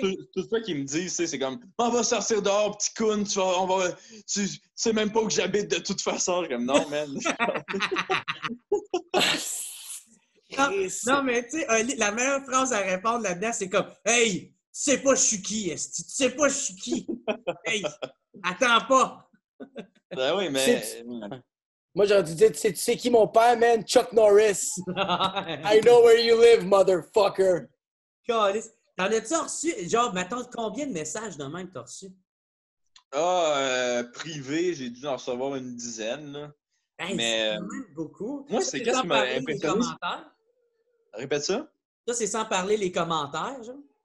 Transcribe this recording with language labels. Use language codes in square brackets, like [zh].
[fr] C'est que tout ça qu'ils me disent, c'est comme « On va sortir dehors, petit coun, tu sais même pas où j'habite de toute façon. » Je suis comme « Non, [en] man. » [fr] Non, mais tu sais, la meilleure phrase à répondre là-dedans, c'est comme « Hey, tu sais pas je suis qui, est-ce que tu sais pas je suis qui? Hey, attends pas! » Ben oui, mais... Moi, j'aurais dû dire, tu sais qui mon père, [en] man? [fr] Chuck Norris. [en] I know where you live, motherfucker. [fr] God, t'en as-tu reçu? Genre, mettons, combien de messages de même t'as reçu? Ah, privé, j'ai dû en recevoir une dizaine. Là. Hey, mais, c'est quand même beaucoup. Moi, ça, c'est qu'est-ce qui m'a impressionné? Répète ça. Ça, c'est sans parler les commentaires, genre.